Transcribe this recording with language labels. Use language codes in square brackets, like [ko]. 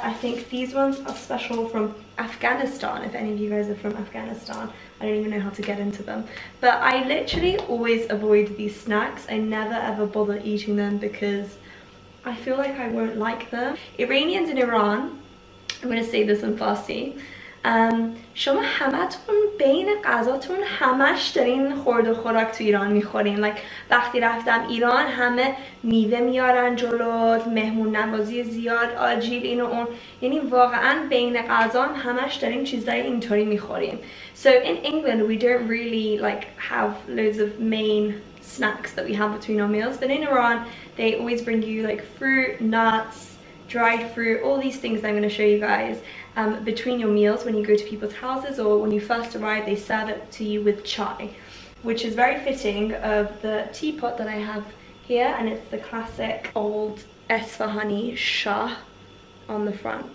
[en] I think these ones are special from Afghanistan, if any of you guys are from Afghanistan. I don't even know how to get into them. But I literally always avoid these snacks. I never ever bother eating them because I feel like I won't like them. Iranians in Iran, I'm going to say this in Farsi. [fa] شما همتون بین غذاتون همش دارین خورد و خوراک تو ایران میخورین. Like وقتی رفتم ایران همه میوه میارن جلوت، مهمون نوازی زیاد، آجیل این و اون. یعنی واقعا بین غذا همش دارین چیزای اینطوری میخورین. [en] So in England we don't really like have loads of main snacks that we have between our meals, but in Iran they always bring you like fruit, nuts, dried fruit, all these things that I'm going to show you guys between your meals when you go to people's houses or when you first arrive, they serve it to you with chai, which is very fitting of the teapot that I have here, and it's the classic old Esfahani shah on the front.